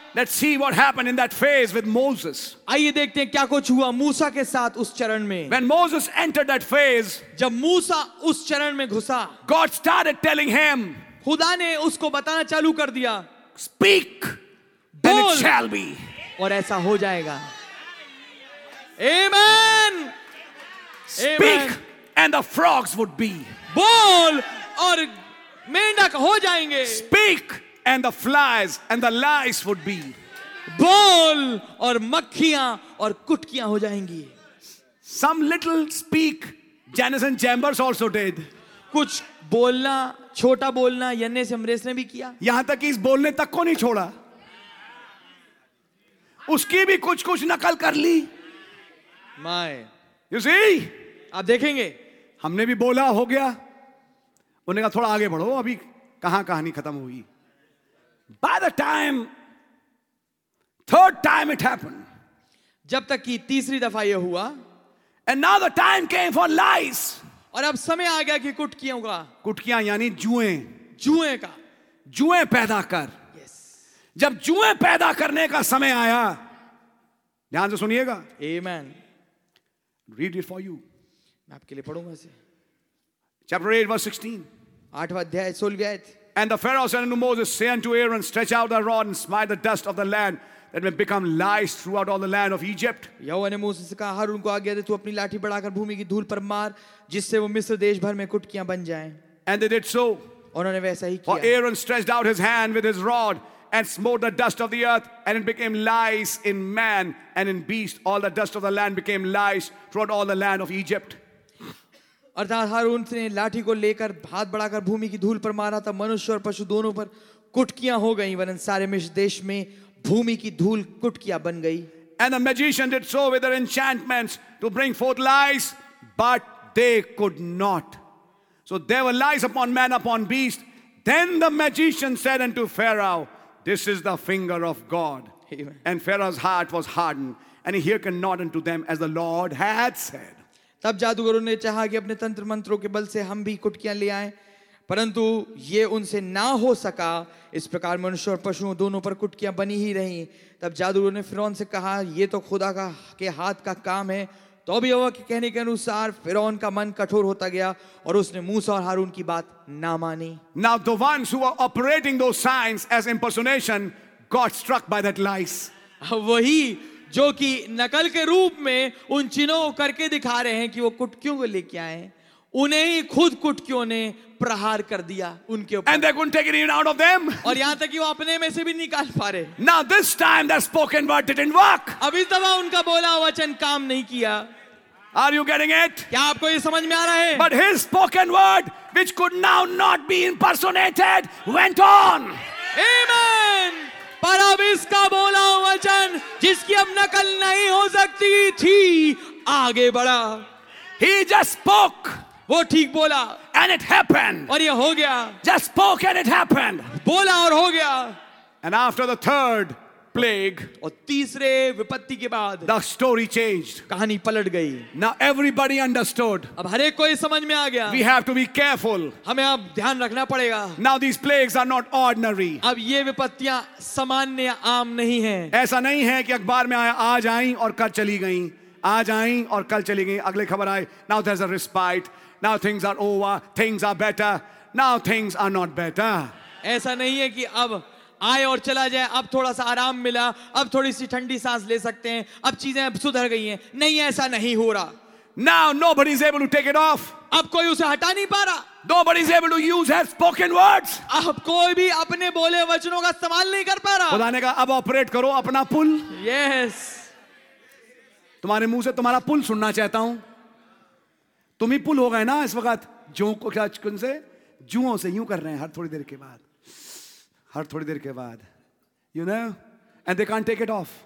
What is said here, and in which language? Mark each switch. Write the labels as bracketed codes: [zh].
[en] Let's see what happened in that phase with Moses. [hi] आइए देखते हैं क्या कुछ हुआ मूसा के साथ उस चरण में. [en] When Moses entered that phase, [hi] जब मूसा उस चरण में घुसा, [en] God started telling him. [hi] खुदा ने उसको बताना चालू कर दिया. [en] Speak, [hi] बोल, [en] and it shall be. [hi] और ऐसा हो जाएगा. Amen. [en] Speak, and the frogs would be. [hi] बोल और मेंढक हो जाएंगे. [en] Speak and the flies and the lice would be. [hi] बोल और मक्खियां और कुटकियां हो जाएंगी. [en] Some little speak Janus and Jambres also did. [hi] कुछ बोलना छोटा बोलना यन्नेस यम्ब्रेस ने भी किया. यहां तक कि इस बोलने तक को नहीं छोड़ा, उसकी भी कुछ कुछ नकल कर ली. [en] my you see, [hi] आप देखेंगे हमने भी बोला हो गया. उन्हें कहा थोड़ा आगे बढ़ो, अभी कहां कहानी खत्म हुई. [en] by the time third time it happen, [hi] जब तक कि तीसरी दफा यह हुआ. [en] and now the time came for lice, [hi] और अब समय आ गया कि कुटकियों का. कुटकियां यानी जुएं. जुएं का, जुएं पैदा कर. [en] Yes. [hi] जब जुएं पैदा करने का समय आया, ध्यान से सुनिएगा. [en] Amen. Read it for you, [hi] मैं आपके लिए पढ़ूंगा इसे. [en] Chapter 8, verse 16. [hi] आठवां अध्याय, 16वीं आयत. [en] And the Pharaoh said unto Moses, Say unto Aaron, stretch out thy rod and smite the dust of the land, that may become lice throughout all the land of Egypt. [hi] यहोवा ने मूसा से कहा, हारून को आज्ञा दे, तू अपनी लाठी बढ़ाकर भूमि की धूल पर मार, जिससे वो मिस्र देश भर में कुटकियां बन जाएं. [en] And they did so. [hi] उन्होंने वैसा ही किया. [en] For Aaron stretched out his hand with his rod and smote the dust of the earth, and it became lice in man and in beast. All the dust of the land became lice throughout all the land of Egypt. अर्थात हारून ने लाठी को लेकर हाथ बढ़ाकर भूमि की धूल पर मारा, था मनुष्य और पशु दोनों पर कुटकियां हो गई, वरन सारे मिस्र देश में भूमि की धूल कुटकियां बन गई. And the magician did so with their enchantments to bring forth lice, but they could not. So there were lice upon man, upon beast. Then the magician said unto Pharaoh, This is the finger of God. Amen. And Pharaoh's heart was hardened, and he hearkened not unto them as the Lord had said. [hi] तब जादूगरों ने चाहा कि अपने तंत्र मंत्रों के बल से हम भी कुटकियां ले आएं, परंतु ये उनसे ना हो सका. इस प्रकार मनुष्य और पशु दोनों पर कुटकियां बनी ही रहीं. तब जादूगरों ने फिरौन से कहा, ये तो खुदा का के हाथ का काम है. तो भी यहोवा के कहने के अनुसार फिरौन का मन कठोर होता गया, और उसने मूसा और हारून की बात ना मानी. [en] Now the ones who were operating those signs as impersonation got struck by that lies. [hi] वही जो कि नकल के रूप में उन चिन्हों को करके दिखा रहे हैं कि वो कुटकियों को लेके आए, उन्हें ही खुद कुटकियों ने प्रहार कर दिया उनके ऊपर. [en] And they couldn't take it even out of them. [hi] और यहां तक कि वो अपने में से भी निकाल पा रहे. [en] Now this time the spoken word didn't work. [hi] अभी इस दफा उनका बोला वचन काम नहीं किया. [en] Are you getting it? [hi] क्या आपको ये समझ में आ रहा है? [en] But his spoken word, which could now not be impersonated, went on. Amen. [hi] पर अब इसका बोला वचन, जिसकी अब नकल नहीं हो सकती थी, आगे बढ़ा. [en] He just spoke. [hi] वो ठीक बोला. [en] And it happened. [hi] और ये हो गया. [en] Just spoke and it happened. [hi] बोला और हो गया. [en] And after the third plague, [hi] और तीसरे विपत्ति के बाद, [en] the story changed. [hi] कहानी पलट गई. [en] Now everybody understood. [hi] अब हर एक को ये समझ में आ गया. [en] We have to be careful. [hi] हमें अब ध्यान रखना पड़ेगा. [en] Now these plagues are not ordinary. [hi] अब ये विपत्तियां सामान्य आम नहीं हैं. ऐसा नहीं है कि अखबार में आया, आज आई और कल चली गई, आज आई और कल चली गई, अगले खबर आए. [en] Now there's a respite. Now things are over. Things are better. Now things are not better. [hi] ऐसा नहीं है कि अब आए और चला जाए, अब थोड़ा सा आराम मिला, अब थोड़ी सी ठंडी सांस ले सकते हैं, अब चीजें अब सुधर गई हैं। नहीं, ऐसा नहीं हो रहा। [en] Now nobody is able to take it off. [hi] अब कोई उसे हटा नहीं पा रहा। [en] Nobody is able to use her spoken words. [hi] अब कोई भी अपने बोले वचनों का इस्तेमाल नहीं कर पा रहा। बताने का, अब ऑपरेट करो अपना पुल। [en] Yes. [hi] तुम्हारे मुंह से तुम्हारा पुल सुनना चाहता हूं। तुम ही पुल हो गए ना इस वक्त, जो को क्या चुन से जुओं से यूं कर रहे हैं हर थोड़ी देर के बाद, हर थोड़ी देर के बाद, [en] you know, and they can't take it off.